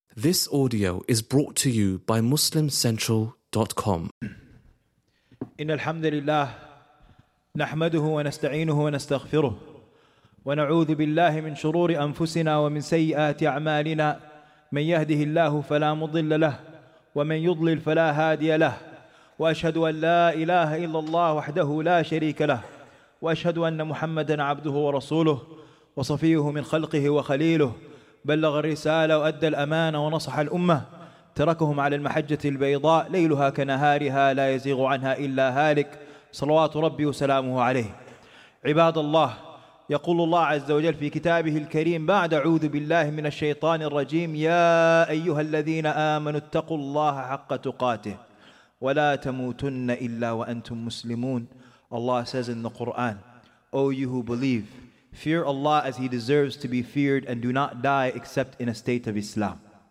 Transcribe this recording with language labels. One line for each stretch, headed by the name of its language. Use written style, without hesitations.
English: This audio is brought to you by MuslimCentral.com.
Arabic: إن الحمد لله نحمده ونستعينه ونستغفره ونعوذ بالله من شرور أنفسنا ومن سيئات أعمالنا من يهده الله فلا مضل له ومن يضلل فلا هادي له وأشهد أن لا إله إلا الله وحده لا شريك له وأشهد أن محمدًا عبده ورسوله وصفيه من خلقه وخليله بلغ الرسالة وأدى الأمانة ونصح الأمة تركهم على المحجة البيضاء ليلها كنهارها لا يزيغ عنها إلا هالك صلوات ربي وسلامه عليه. عباد الله، يقول الله عز وجل في كتابه الكريم بعد أعوذ بالله من الشيطان الرجيم: يا أيها الذين آمنوا اتقوا الله حق تقاته ولا تموتن إلا وأنتم مسلمون.
English: Allah says in the Quran, O you who believe, fear Allah as He deserves to be feared and do not die except in a state of Islam.